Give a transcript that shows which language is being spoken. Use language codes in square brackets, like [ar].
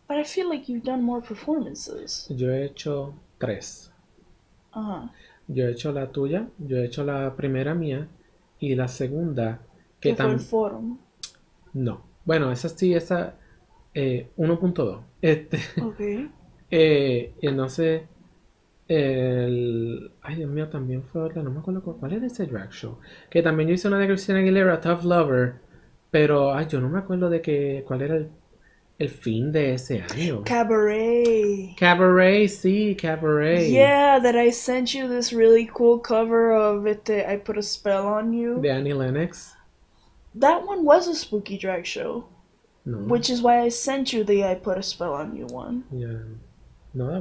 [en] But I feel like you've done more performances. [es] Yo he hecho tres. Yo he hecho la tuya, yo he hecho la primera mía y la segunda, que ¿Qué fue el tan... forum? No. Bueno, esa sí, esa 1.2. [en] Okay. [es] Y entonces, Ay, Dios mío, también fue otra, no me acuerdo cuál era ese drag show. Que también yo hice una de Christina Aguilera, Tough Lover. Pero, ay, yo no me acuerdo de que cuál era el fin de ese año. Cabaret. Cabaret, sí, Cabaret. [en] Yeah, that I sent you this really cool cover of I Put a Spell on [es] De [en] You. Annie Lennox. That one was a spooky drag show. No. Which is why I sent you the I Put a Spell on You one. No, that